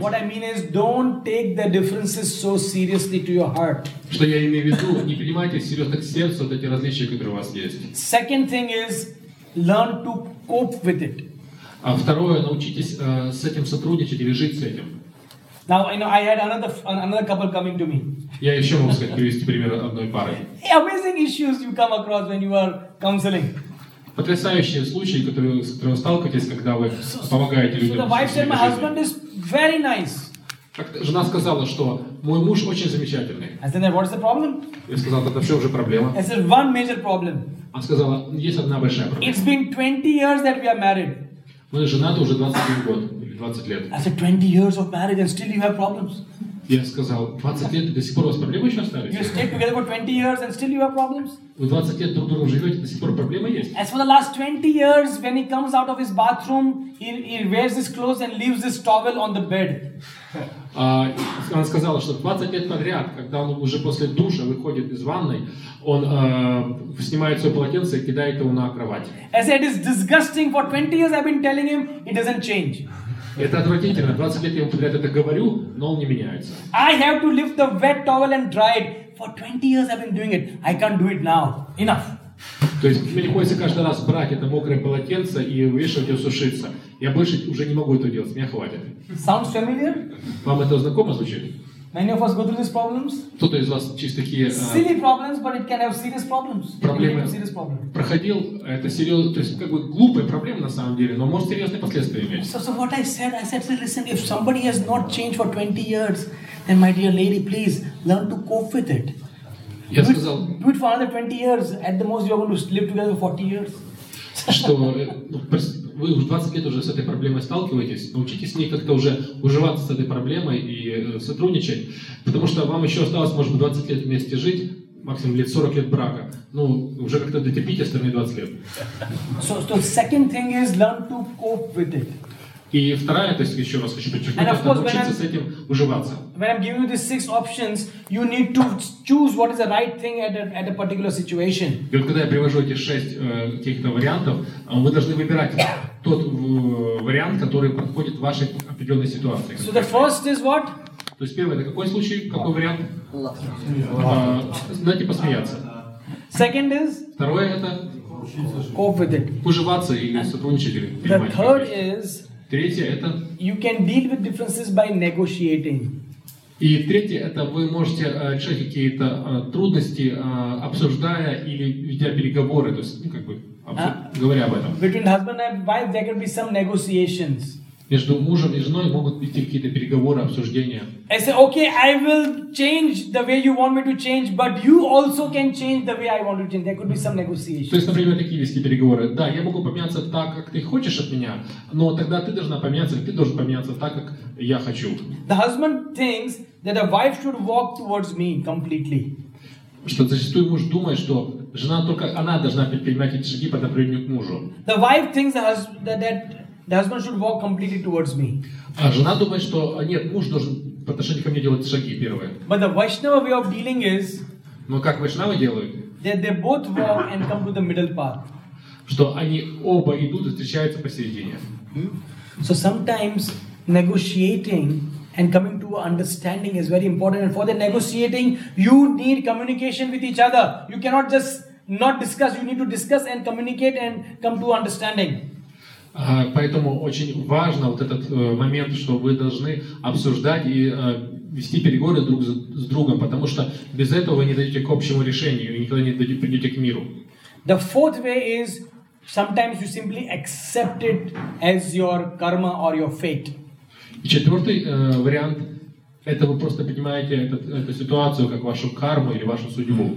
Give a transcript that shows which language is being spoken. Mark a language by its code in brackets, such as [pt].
[en] What I mean is, don't take the differences so seriously to your heart. [ru] Что я имею в виду, не принимайте серьезно к сердцу вот эти различия, которые у вас есть. [en] Second thing is, learn to cope with it. [ru] А второе, научитесь с этим сотрудничать или жить с этим. [en] Now, you know, I had another couple coming to me. [ru] Я еще могу сказать, привести пример одной пары. [en] Hey, amazing issues you come across when you are counseling. [ru] Потрясающие случаи, с которыми вы сталкиваетесь, когда вы помогаете людям. [en] So the wife said, my husband is very nice. [ru] Жена сказала, что мой муж очень замечательный. [en] I said, what is the problem? [ru] Я сказал, это все уже проблема. [en] I said, one major problem. [ru] Она сказала, есть одна большая проблема. [en] It's been 20 years that we are married. [ru] Мы женаты уже 21 год, или 20 лет. [en] I said, 20 years of marriage and still you have problems. [ru] Я сказал, 20 лет, до сих пор у вас проблемы еще остались? [en] You stayed together for 20 years and still you have problems. [ru] Вы 20 лет друг другу живете, до сих пор проблемы есть? [en] As for the last 20 years, when he comes out of his bathroom, he wears his clothes and leaves his towel on the bed. [ru] Она сказала, что 20 лет подряд, когда он уже после душа выходит из ванной, он снимает свое полотенце и кидает его на кровать. [en] As it is disgusting, for 20 years I've been telling him, it doesn't change. [ru] Это отвратительно. 20 лет я ему подряд это говорю, но он не меняется. [en] I have to lift the wet towel and dry it. For 20 years I've been doing it. I can't do it now. Enough. [ru] То есть мне приходится каждый раз брать это мокрое полотенце и вешать его сушиться. Я больше уже не могу это делать. Меня хватит. [en] Sounds familiar? [ru] Вам это знакомо звучит? [en] Many of us go through these problems. [ru] Кто-то из вас через такие... [en] Silly problems, but it can have serious problems. [ru] Проблемы. [en] Serious problems. [ru] Проходил, это серьезно, то есть как бы глупые проблемы на самом деле, но может серьезные последствия иметь. [en] So what I said, listen, if somebody has not changed for 20 years, then my dear lady, please, learn to cope with it. [ru] Я сказал... [en] Do it for another 20 years. At the most, you're going to live together for 40 years. [ru] Что... Вы уже 20 лет уже с этой проблемой сталкиваетесь, научитесь с ней как-то уже уживаться с этой проблемой и сотрудничать, потому что вам еще осталось, может быть, 20 лет вместе жить, максимум лет 40 лет брака. Ну, уже как-то дотерпите остальные 20 лет. [en] So second thing is learn to cope with it. [ru] И вторая, то есть еще раз хочу подчеркнуть, это научиться с этим уживаться. [en] When I'm giving you these six options, you need to choose what is the right thing at a particular situation. [ru] И вот когда я привожу эти шесть каких-то вариантов, вы должны выбирать тот вариант, который подходит вашей определенной ситуации. [en] So the first is what? [ru] То есть первое, это какой случай, какой вариант? Знаете, посмеяться. [en] Second is? [ru] Второе это? [en] Cope with it. [ru] Уживаться или сотрудничать. Или [en] the third is? [ru] Третье это? [en] You can deal with differences by negotiating. [ru] И третье, это вы можете решать какие-то трудности, обсуждая или ведя переговоры, то есть, ну, как бы, говоря об этом. [en] Between husband and wife there can be some negotiations. [ru] Между мужем и женой могут идти какие-то переговоры, обсуждения. [en] I say, okay, I will change the way you want me to change, but you also can change the way I want to change. There could be some negotiations. [ru] То есть, например, такие вести переговоры. Да, я могу поменяться так, как ты хочешь от меня, но тогда ты должна поменяться, ты должен поменяться так, как я хочу. [en] The husband thinks that the wife should walk towards me completely. [ru] Что зачастую муж думает, что жена только она должна предпринимать эти шаги по направлению к мужу. [en] The wife thinks the husband that the husband should walk completely towards me. [ru] А жена думает, что нет, муж должен по отношению ко мне делать шаги первые. [en] But the Vaishnava way of dealing is. [ru] Но как Вайшнавы делают? [en] That they both walk and come to the middle path. [ru] Что они оба идут и встречаются посередине. [en] So sometimes negotiating and coming to an understanding is very important. And for the negotiating, you need communication with each other. You cannot just not discuss. You need to discuss and communicate and come to understanding. [ru] Поэтому очень важно вот этот момент, что вы должны обсуждать и вести переговоры друг с другом, потому что без этого вы не дойдете к общему решению и никогда не придете к миру. [en] The fourth way is sometimes you simply accept it as your karma or your fate. [ru] И четвертый вариант – это вы просто принимаете эту ситуацию как вашу карму или вашу судьбу.